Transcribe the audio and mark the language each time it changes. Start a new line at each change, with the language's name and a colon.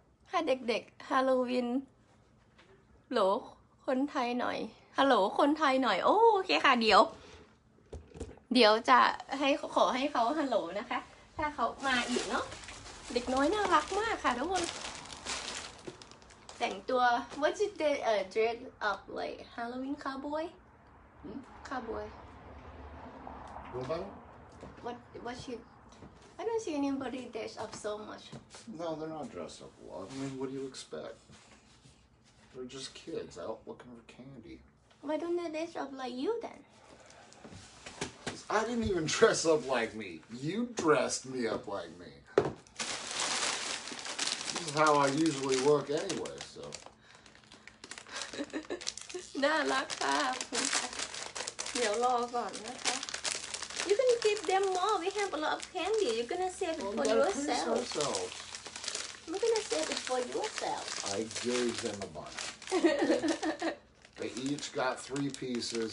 Thai: ค่ะเด็กๆฮาโลวีนโหลคนไทยหน่อยฮัลโหลคนไทยหน่อยโอเคค่ะเดี๋ยวจะให้ขอให้เขาฮัลโหลนะคะถ้าเขามาอีกเนาะเด็กน้อยน่ารักมากค่ะทุกคนแต่งตัว
English: What you did dress up like Halloween cowboy cowboy What you I don't see anybody dress up so much No they're not dressed up a lot I mean what do you expect They're just kids out looking for candy Why don't they dress up like you then? I didn't even dress up like me. You dressed me up like me. This is how I usually work anyway, so.
Thai: น่ารักค่ะเดี๋ยวรอก่อนนะคะ
English: You can keep them all. We have a lot of candy. You're gonna save it for yourself. We're gonna save it for ourselves. We're gonna save it for yourself. I gave them a bunch. They each got three pieces.